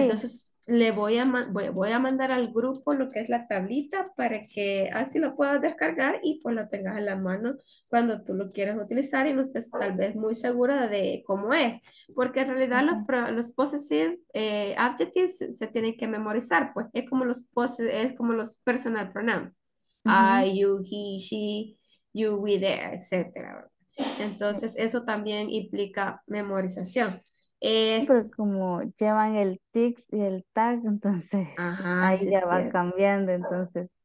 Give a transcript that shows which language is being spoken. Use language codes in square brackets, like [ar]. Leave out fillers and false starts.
[es] Entonces le voy a mandar al grupo lo que es la tablita para que así lo puedas descargar y pues lo tengas en la mano cuando tú lo quieras utilizar y no estés tal vez muy segura de cómo es. Porque en realidad los possessive adjectives se tienen que memorizar, pues es como los personal pronouns. [en] I, you, he, she, you, we, there, etc. [es] Entonces eso también implica memorización. Pues como llevan el tics y el tag, entonces ahí ya va cambiando, entonces